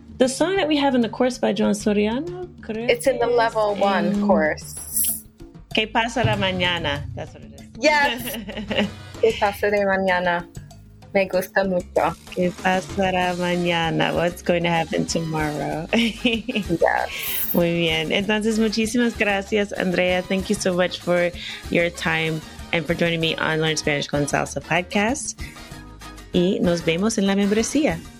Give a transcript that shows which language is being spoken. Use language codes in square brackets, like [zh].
[en] The song that we have in the course by John Soriano? Correct? It's in the level one course. [es] Que pasará mañana. [en] That's what it is. [es] Yes. Que pasará mañana. Me gusta mucho. Que pasará mañana. [en] What's going to happen tomorrow? Yes. [es] Muy bien. Entonces, muchísimas gracias, Andrea. [en] Thank you so much for your time and for joining me on Learn Spanish con Salsa podcast. [es] Y nos vemos en la membresía.